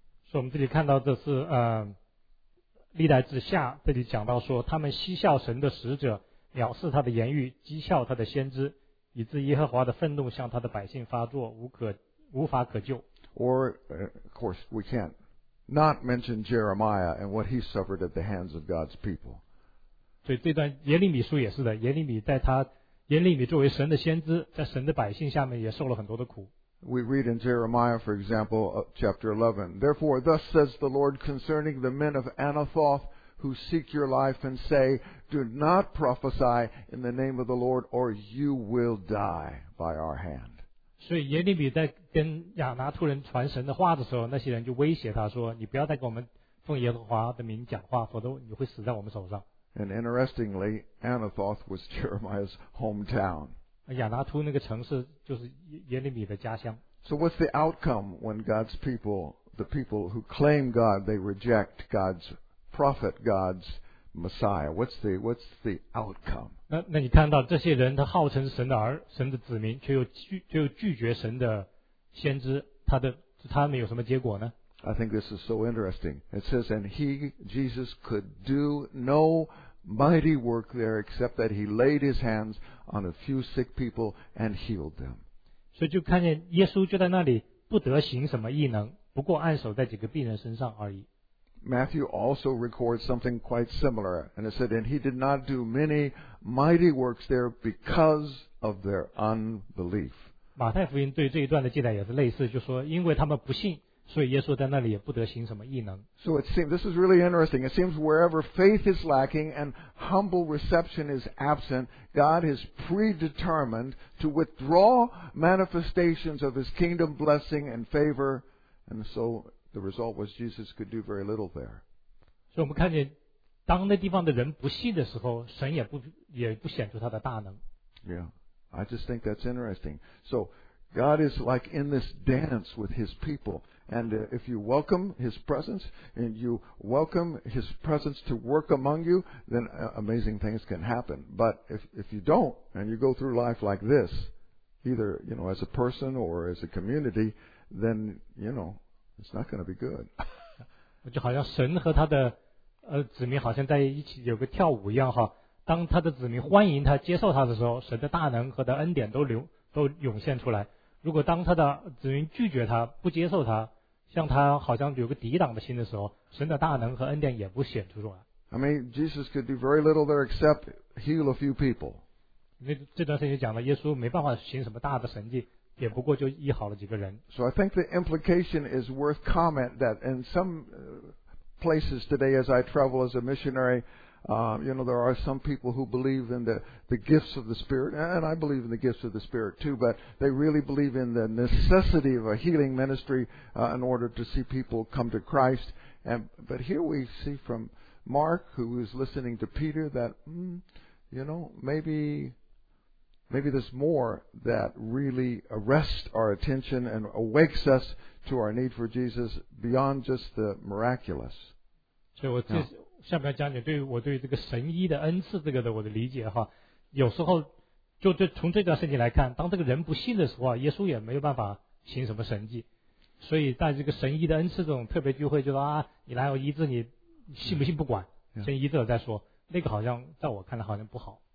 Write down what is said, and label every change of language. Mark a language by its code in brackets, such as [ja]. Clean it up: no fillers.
[zh] So, 我们这里看到的是历代志下这里讲到说，他们讥笑神的使者，藐视他的言语，讥笑他的先知，以致耶和华的愤怒向他的百姓发作，无法可救。 [en] Or, of course, we can't not mention Jeremiah and what he suffered at the hands of God's people. [zh] 对，这段耶利米书也是的，耶利米作为神的先知，在神的百姓下面也受了很多的苦。 [en] We read in Jeremiah, for example, chapter 11. Therefore, thus says the Lord concerning the men of Anathoth who seek your life and say, "Do not prophesy in the name of the Lord, or you will die by our hand." [zh] 所以耶利米在跟亚拿突人传神的话的时候，那些人就威胁他说，你不要再跟我们奉耶和华的名讲话，否则你会死在我们手上。 [en] And interestingly, Anathoth was Jeremiah's hometown. [zh] 亚拿突那个城市就是耶利米的家乡。 [en] So what's the outcome when God's people, the people who claim God, they reject God's prophet, God's Messiah? What's the outcome? [zh] 那你看到这些人，他号称神的儿、神的子民，却又拒绝神的先知，他们有什么结果呢 [en] ？I think this is so interesting. It says, "And he, Jesus, could do no mighty work there, except that he laid his hands on a few sick people and healed them." [zh] 所以就看见耶稣就在那里不得行什么异能，不过按手在几个病人身上而已。 [en] Matthew also records something quite similar, and it said, "And he did not do many mighty works there because of their unbelief." [zh] 马太福音对这一段的记载也是类似，就说因为他们不信，所以耶稣在那里也不得行什么异能。 [en] So it seems, this is really interesting. It seems wherever faith is lacking and humble reception is absent, God is predetermined to withdraw manifestations of His kingdom blessing and favor. And so the result was Jesus could do very little there. [zh] 所以我们看见，当那地方的人不信的时候，神也不显出他的大能。 [en] Yeah, I just think that's interesting. So God is like in this dance with His people. And if you welcome His presence, and you welcome His presence to work among you, then amazing things can happen. But if you don't, and you go through life like this, either, you know, as a person or as a community, then, you know, it's not going to be good. [zh] 就好像神和他的子民好像在一起有个跳舞一样哈，当他的子民欢迎他、接受他的时候，神的大能和他的恩典都涌现出来。如果当他的子民拒绝他、不接受他，像他好像有个抵挡的心的时候，神的大能和恩典也不显出来。 [en] I mean, Jesus could do very little there except heal a few people. [zh] 那这段圣经讲了，耶稣没办法行什么大的神迹，也不过就医好了几个人。 [en] So I think the implication is worth comment that in some places today, as I travel as a missionary, you know, there are some people who believe in the gifts of the Spirit, and I believe in the gifts of the Spirit too, but they really believe in the necessity of a healing ministry in order to see people come to Christ. But here we see from Mark, who is listening to Peter, that, you know, maybe there's more that really arrests our attention and awakes us to our need for Jesus beyond just the miraculous. So it's just... [zh] 下面讲解对我对这个神医的恩赐这个的我的理解哈，有时候就从这段圣经来看，当这个人不信的时候，耶稣也没有办法行什么神迹，所以在这个神医的恩赐这种特别聚会，就说啊，你来我医治你，信不信不管，先医治了再说，那个好像在我看来好像不好。